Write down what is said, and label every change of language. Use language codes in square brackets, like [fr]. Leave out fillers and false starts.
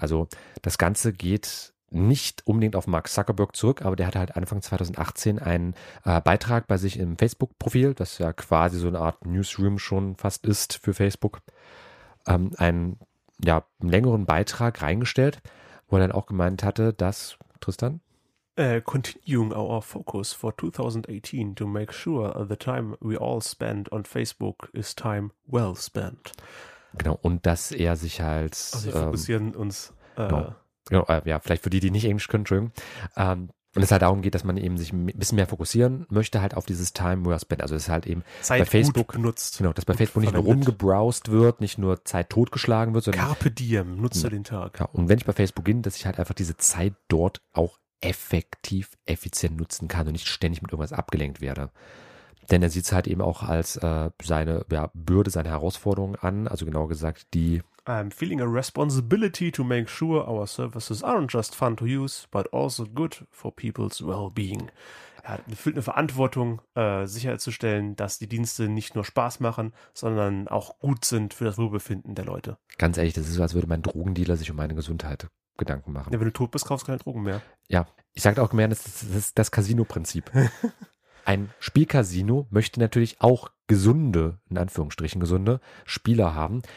[de] Also das Ganze geht nicht unbedingt auf Mark Zuckerberg zurück, aber der hatte halt Anfang 2018 einen Beitrag bei sich im Facebook-Profil, das ja quasi so eine Art Newsroom schon fast ist für Facebook, einen längeren Beitrag reingestellt, wo er dann auch gemeint hatte, dass, Tristan? [en] Continuing our focus for 2018 to make sure the time we all spend on Facebook is time well spent. [de] Genau, und dass er sich halt... Also wir fokussieren uns... vielleicht für die, die nicht Englisch können, Entschuldigung. Und es halt darum geht, dass man eben sich ein bisschen mehr fokussieren möchte halt auf dieses Time Well Spent. Also es halt eben Zeit bei Facebook gut nutzt. Genau, dass bei Facebook nicht nur rumgebrowst wird, nicht nur Zeit totgeschlagen wird, sondern Carpe Diem, nutze den Tag. Ja, und wenn ich bei Facebook bin, dass ich halt einfach diese Zeit dort auch effektiv, effizient nutzen kann und nicht ständig mit irgendwas abgelenkt werde. Denn er sieht es halt eben auch als seine Bürde, seine Herausforderung an, also genauer gesagt die [en] I'm feeling a responsibility to make sure our services aren't just fun to use, but also good for people's well-being. [de] Er fühlt eine Verantwortung, sicherzustellen, dass die Dienste nicht nur Spaß machen, sondern auch gut sind für das Wohlbefinden der Leute. Ganz ehrlich, das ist so, als würde mein Drogendealer sich um meine Gesundheit Gedanken machen. Ja, wenn du tot bist, kaufst du keine Drogen mehr. Ja, ich sagte auch mehr, das ist das Casino-Prinzip. Ein Spielcasino möchte natürlich auch gesunde, in Anführungsstrichen gesunde, Spieler haben.